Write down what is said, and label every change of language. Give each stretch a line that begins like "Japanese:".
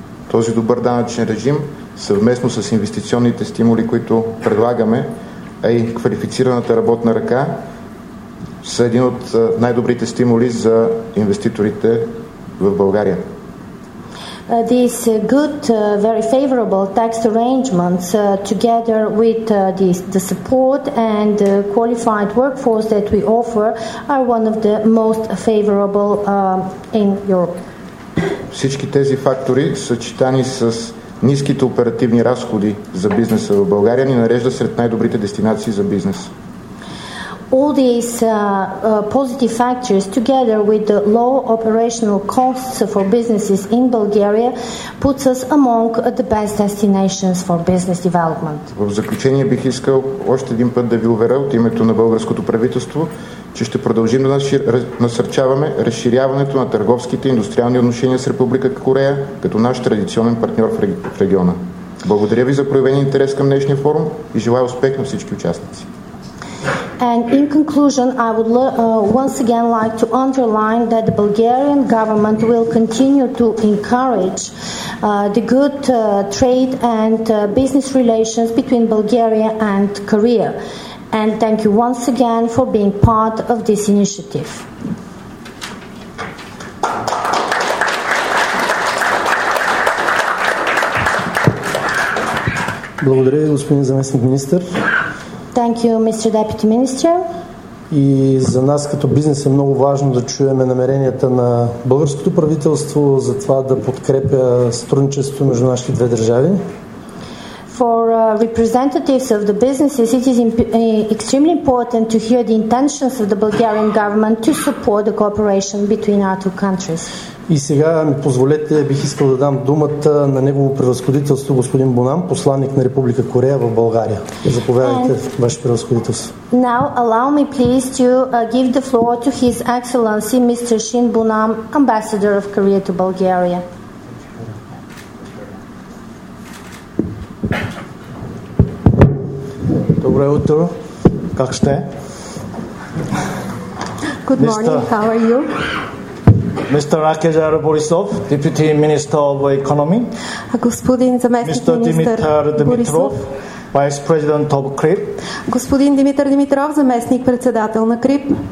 Bulgarian: Този добър данъчен режим съвместно с инвестиционните стимули, които предлагаме, а и квалифицираната работна ръка са един от най-добрите стимули за инвеститорите в България.
English: This good, very favorable tax arrangements together with the support and qualified workforce that we offer are one of the most favorable in Europe.
Bulgarian: Всички тези фактори, съчетани с ниските оперативни разходи за бизнеса в България, ни нарежда сред най-добрите дестинации за бизнес.
English: All these positive factors together with the low operational costs for businesses in Bulgaria puts us among the best destinations for business development.
Bulgarian: В заключение бих искал още един път да ви уверя от името на българското правителство, че ще продължим да насърчаваме разширяването на търговските и индустриални отношения с Република Корея като наш традиционен партньор в региона. Благодаря ви за проявен интерес към днешния форум и желая успех на всички участници.
English: And in conclusion, I would once again like to underline that the Bulgarian government will continue to encourage the good trade and business relations between Bulgaria and Korea. And thank you once again for being part of this initiative.
Bulgarian: Благодаря, господин заместник-министър.
English: Thank you, Mr. Deputy Minister.
Bulgarian: И за нас като бизнес е много важно да чуем намеренията на българското правителство за това да подкрепя сътрудничеството между нашите две държави.
English: For representatives of the businesses, it is extremely important to hear the intentions of the Bulgarian government to support the cooperation between our two countries.
Bulgarian: И сега ми позволете, бих искал да дам думата на негово превъзходителство господин Бонам, посланник на Република Корея в България. Заповядайте, ваше превъзходителство.
English: Now allow me please to give the floor to His Excellency Mr. Shin Bonam, Ambassador of Korea to Bulgaria.
Bulgarian: Добре утро. Как сте?
English: Good morning. How are you? Mr. Akezar Borisov, Deputy Minister of Economy.
Bulgarian: Господин заместник-министър Борисов.
English: Mr. Dimitar Dimitrov, Vice President of KRIP.
Bulgarian: Господин Димитър Димитров, заместник-председател на КРИП.